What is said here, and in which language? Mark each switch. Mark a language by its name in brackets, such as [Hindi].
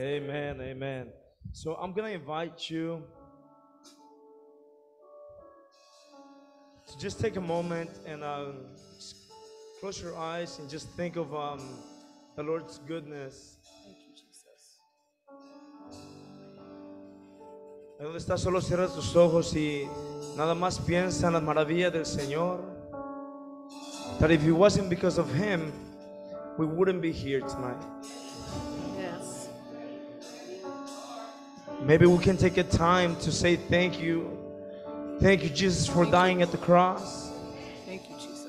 [English] Amen. Amen. So I'm gonna invite you to just take a moment and just close your eyes and just think of the Lord's goodness. [Spanish] ¿Dónde estás? Solo cierra tus ojos y nada más piensa en la maravilla del Señor. [English] That if it wasn't because of Him, we wouldn't be here tonight. Yes. Maybe we can take a time to say thank you. Thank you, Jesus, for dying at the cross. Thank you, Jesus.